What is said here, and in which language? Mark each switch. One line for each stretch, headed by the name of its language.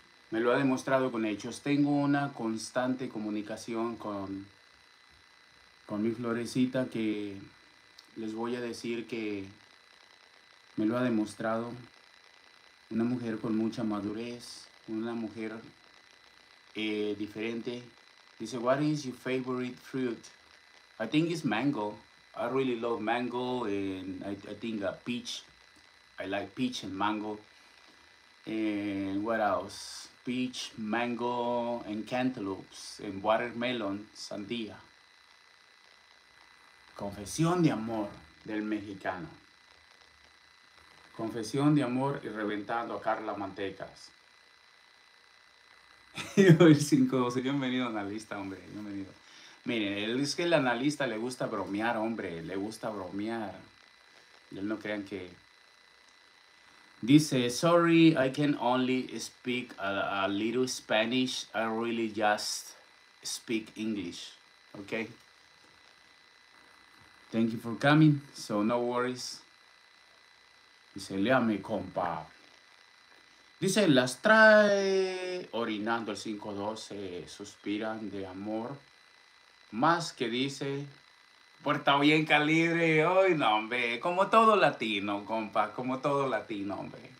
Spanish: Me lo ha demostrado con hechos. Tengo una constante comunicación con mi florecita que les voy a decir que me lo ha demostrado. Una mujer con mucha madurez, una mujer diferente.
English: Dice, what is your favorite fruit? I think it's mango. I really love mango and I think peach. I like peach and mango. And what else? Peach, mango, and cantaloupes, and watermelon, sandía.
Spanish: Confesión de amor del mexicano. Confesión de amor y reventando a Carla Mantecas. El 5-12, bienvenido analista, hombre, bienvenido. Miren, es que el analista le gusta bromear, hombre, le gusta bromear. Y él no crean que...
English: Dice, sorry, I can only speak a little Spanish. I really just speak English, okay? Thank you for coming, so no worries.
Spanish: Dice, léame, compa. Dice, las trae orinando el 5-12. Suspiran de amor. Más que dice, puerta bien calibre. Ay, no, hombre. Como todo latino, compa. Como todo latino, hombre.